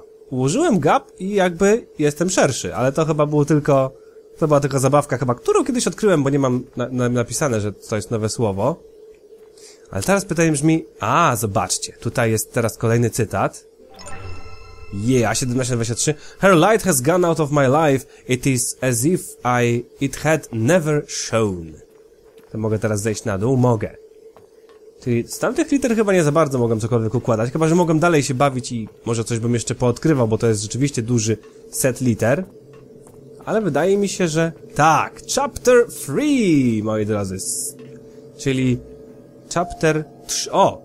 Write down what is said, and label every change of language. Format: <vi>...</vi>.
<pl>Ułożyłem gap i jakby jestem szerszy, ale to chyba było tylko... To była tylko zabawka chyba, którą kiedyś odkryłem, bo nie mam napisane, że to jest nowe słowo. Ale teraz pytanie brzmi... A, zobaczcie, tutaj jest teraz kolejny cytat.</pl> <en>Yeah, 1723. Her light has gone out of my life. It is as if it had never shone.</en> <pl>To mogę teraz zejść na dół? Mogę. Czyli z tamtych liter chyba nie za bardzo mogłem cokolwiek układać, chyba że mogłem dalej się bawić i może coś bym jeszcze poodkrywał, bo to jest rzeczywiście duży set liter. Ale wydaje mi się, że... Tak! Chapter 3, moi drodzy. Czyli... Chapter 3... O!</pl>